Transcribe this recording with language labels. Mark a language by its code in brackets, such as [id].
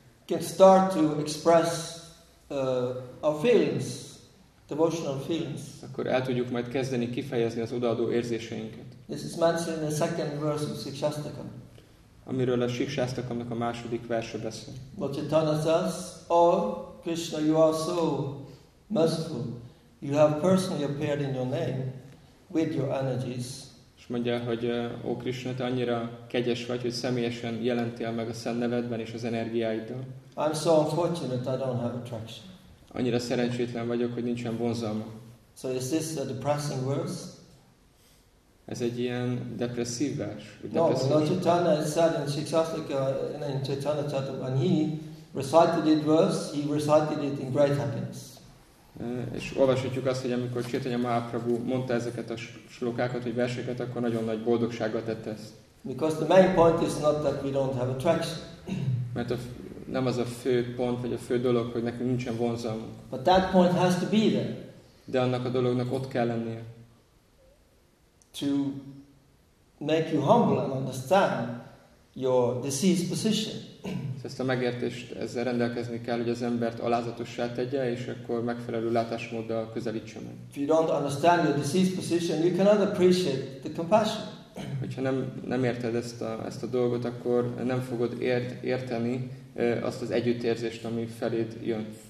[en] Can start to express our feelings, devotional feelings. [hu] Akkor el tudjuk majd kezdeni kifejezni az odaadó érzéseinket. [en] This is mentioned in the second verse of Sikshastakam. [hu] Amiről a Sikshastakamnak a második verse beszél. [en] Lord Chaitanya says, oh Krishna, you are so merciful. You have personally appeared in your name with your energies. [hu] És mondja, hogy ó Krishna, te annyira kegyes vagy, hogy személyesen jelentél meg a szent nevedben és az energiáiddal. [en] I'm so unfortunate I don't have attraction. [hu] Annyira szerencsétlen vagyok, hogy nincsen vonzalma. [en] So is this a depressing verse? [hu] Ez egy ilyen depresszív vers. [en] No, Chaitanya said in Sikshastaka, in Chaitanya Chata, when he recited it verse, he recited it in great happiness. [hu] És olvashatjuk azt, hogy amikor Chaitanya Mahaprabhu mondta ezeket a slokákat, vagy verseket, akkor nagyon nagy boldogsággal tette ezt. [en] Because the main point is not that we don't have attraction. [hu] Mert nem az a fő pont, vagy a fő dolog, hogy nekünk nincsen vonzalmunk. [en] But that point has to be there. [hu] De annak a dolognak ott kell lennie. [en] To make you humble and understand your deceased position. [hu] Ezt a megértést, ezzel rendelkezni kell, hogy az embert alázatossá tegye, és akkor megfelelő látásmóddal közelítsen meg. [en] If you don't understand your deceased position, you cannot appreciate the compassion. [hu] hogyha nem érted ezt a dolgot, akkor nem fogod érteni azt az együttérzést, ami feléd jön.